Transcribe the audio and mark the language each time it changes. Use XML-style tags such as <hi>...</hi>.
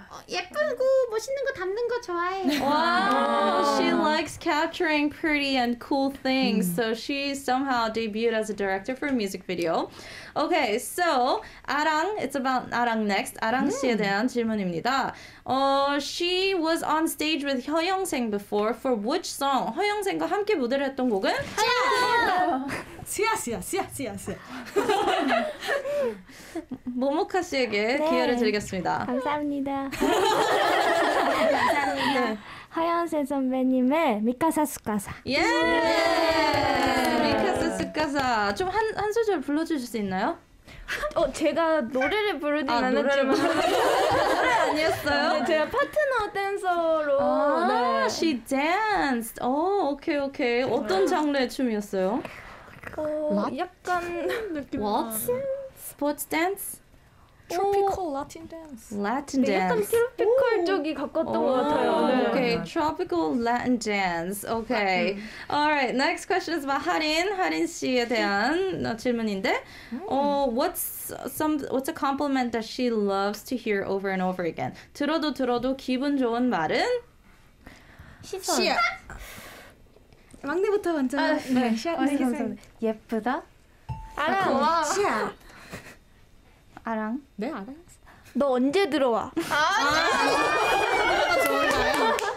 <ko>예쁘고 멋있는 거 담는 거 좋아해.</ko> <en>와. She likes capturing pretty and cool things. So she somehow debuted as a director for a music video. Okay, so 아랑, it's about 아랑 next.</en> <ko>아랑 씨에 대한 질문입니다.</ko> <en>She was on stage with 허영생 before for which song?</en> <ko>허영생과 함께 무대를 했던 곡은? 시야. 시야. 모모카 씨에게 네. 기회를 드리겠습니다. 감사합니다. 감사합니다. 허영생 선배님의 미카사 수카사. 예. Yeah. Yeah. 미카사 수카사. 좀 한 소절 불러주실 수 있나요? 어, 제가 노래를 부르진 않았지만 노래 아니었어요? 네, 제가 파트너 댄서로. 아, 네.</ko> <en>She danced.</en> <ko>오, 오케이 오케이. 정말. 어떤 장르의 춤이었어요? 어, 약간 느낌.</ko> <en>What? Sports dance? Tropical Latin dance. Latin dance.</en> <ko>약간 트로피컬 쪽이 가깝던 것 같아요.</ko> <en>Okay, tropical Latin dance. Okay. All right. Next question is about 하린.</en> <ko>하린 씨에 대한 질문인데,</ko> <en>what's a compliment that she loves to hear over and over again?</en> <ko>들어도 들어도 기분 좋은 말은? 시야. 막내부터 먼저. 네. 시야. 예쁘다. 아랑. 시야. 아랑? 네, 아랑. 너 언제 들어와? 아니, 좋은 말.</ko>